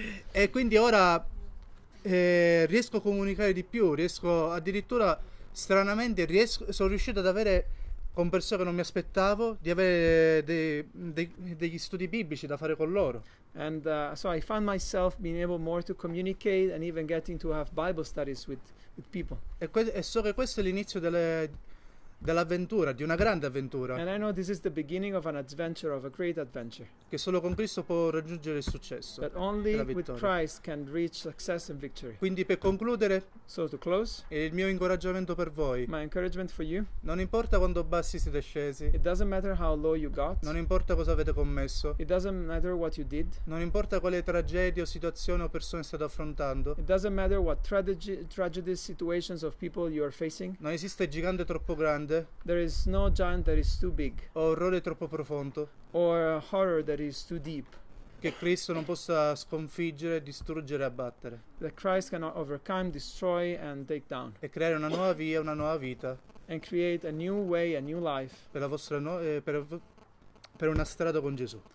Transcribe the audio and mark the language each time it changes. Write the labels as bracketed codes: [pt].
[it] E quindi ora riesco a comunicare di più, riesco addirittura, stranamente, sono riuscito ad avere con persone che non mi aspettavo, di avere degli studi biblici da fare con loro. [en] And so I found myself being able more to communicate and even getting to have Bible studies with people. [it] E so che questo è l'inizio dell'avventura, di una grande avventura. [en] And I know this is the beginning of an adventure, of a great adventure. [it] Che solo con Cristo può raggiungere il successo. [en] That only with Christ can reach success and victory. [it] Quindi per concludere, [en] so to close, [it] il mio incoraggiamento per voi. [en] My encouragement for you. [it] Non importa quanto bassi siete scesi. [en] It doesn't matter how low you got. [it] Non importa cosa avete commesso. [en] It doesn't matter what you did. [it] Non importa quale tragedia o situazione o persone state affrontando. [en] It doesn't matter what tragedy situations of people you are facing. [it] Non esiste gigante troppo grande. [en] There is no giant that is too big. [it] Orrore troppo profondo. [en] Or a horror that is too deep. [it] Che Cristo non possa sconfiggere, distruggere e abbattere. [en] That Christ cannot overcome, destroy and take down. [it] E creare una nuova via, una nuova vita. [en] And create a new way, a new life. [it] Per la vostra per una strada con Gesù.